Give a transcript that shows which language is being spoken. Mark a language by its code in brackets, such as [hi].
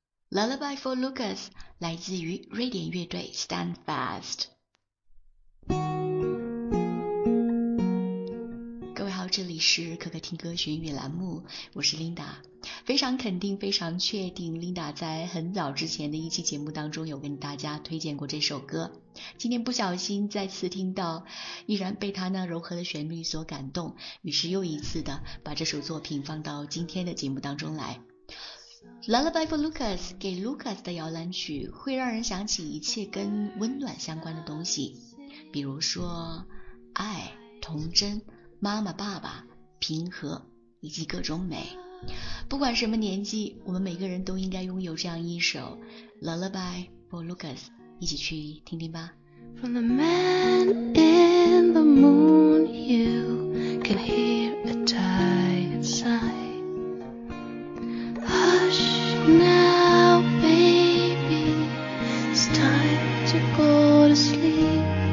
[zh] Lullaby for Lucas 来自于瑞典乐队 Stand Fast。各位好，这里是可可听歌学音乐栏目，我是 Linda。非常肯定，非常确定 ，Linda 在很早之前的一期节目当中有跟大家推荐过这首歌。今天不小心再次听到，依然被他那柔和的旋律所感动，于是又一次的把这首作品放到今天的节目当中来。 Lullaby for Lucas 给 Lucas 的摇篮曲会让人想起一切跟温暖相关的东西，比如说爱、童真、妈妈、爸爸、平和以及各种美。不管什么年纪，我们每个人都应该拥有这样一首 Lullaby for Lucas， 一起去听听吧。 [en] From the man in the moon you can hear a tired sighNow, baby, it's time to go to sleep.